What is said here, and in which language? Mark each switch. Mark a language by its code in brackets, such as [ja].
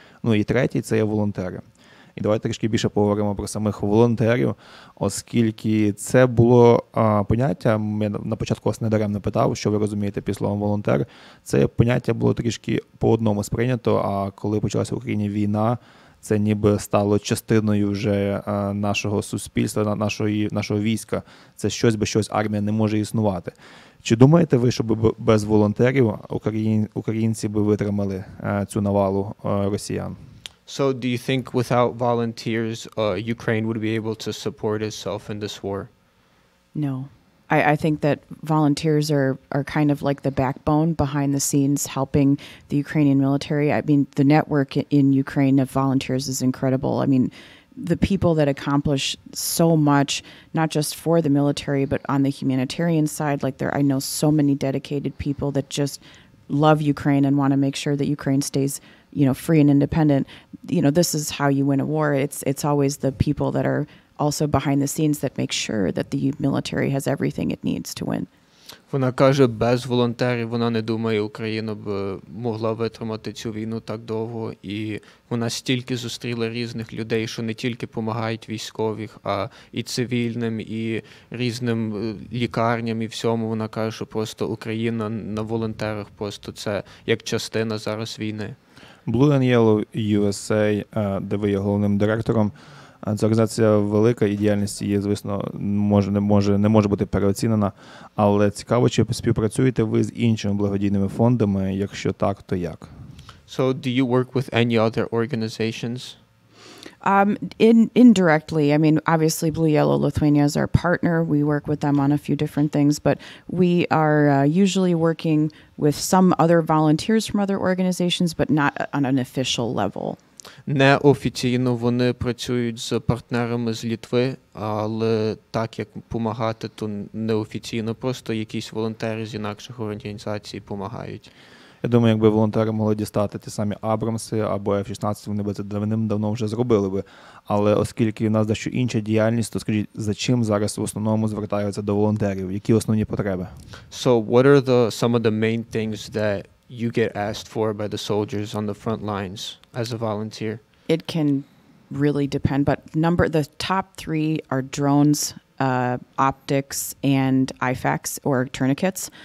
[uk] Ну і третій, це є волонтери. І давайте трішки більше поговоримо про самих волонтерів, оскільки це було поняття, я на початку вас недаремно питав, що ви розумієте під словом волонтер, це поняття було трішки по одному сприйнято, а коли почалася в Україні війна, це ніби стало частиною вже нашого суспільства, нашого війська. Це щось, армія не може існувати. Чи думаєте ви, щоб без волонтерів українці би витримали цю навалу росіян? [en] So do you think without volunteers, Ukraine would be able to support itself in this war? No. I think that volunteers are kind of like the backbone behind the scenes helping the Ukrainian military. I mean, the network in Ukraine of volunteers is incredible. I mean, the people that accomplish so much, not just for the military, but on the humanitarian side, like there, I know so many dedicated people that just love Ukraine and want to make sure that Ukraine stays, you know, free and independent. You know, this is how you win a war. It's always the people that are also behind the scenes that make sure that the military has everything it needs to win. [uk] Вона каже, без волонтерів вона не думає, Україна б могла витримати цю війну так довго. І вона стільки зустріла різних людей, що не тільки допомагають військових, а і цивільним, і різним лікарням, і всьому. Вона каже, що просто Україна на волонтерах, просто це як частина зараз війни. Blue and Yellow USA, де ви є головним директором, Ця організація велика, і діяльність її, звісно, не може бути переоцінена. Але цікаво, чи співпрацюєте ви з іншими благодійними фондами? Якщо так, то як? [en] So, do you work with any other organizations? Indirectly, I mean, obviously Blue Yellow Lithuania is our partner. We work with them on a few different things, but we are usually working with some other volunteers from other organizations, but not on an official level. [uk] Неофіційно вони працюють з партнерами з Літви, але так як допомагати, то неофіційно, просто якісь волонтери з інакших організацій допомагають. Я думаю, якби волонтери могли дістати ті самі Абрамси або F-16, вони би це давним-давно вже зробили би. Але оскільки у нас дещо інша діяльність, то скажіть, за чим зараз в основному звертаються до волонтерів? Які основні потреби? [en] So, what are some of the main things that you get asked for by the soldiers on the front lines as a volunteer? It can really depend, but the top three are drones, optics, and IFACs, or tourniquets.